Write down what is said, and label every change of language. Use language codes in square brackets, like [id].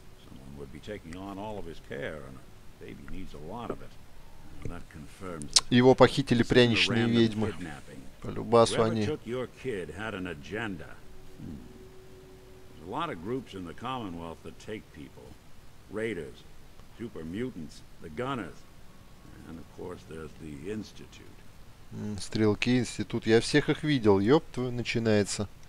[en] Someone would be taking on all of his care, and a baby needs a lot of it. And that confirms it. [ru] Его похитили пряничные ведьмы. Полюбасу они. [en] Whoever took your kid had an agenda. There's a lot of groups in the Commonwealth that take people. Raiders, super mutants, the gunners. And of course there's the Institute. [ru] Стрелки, институт. Я всех их видел. Ёп, начинается.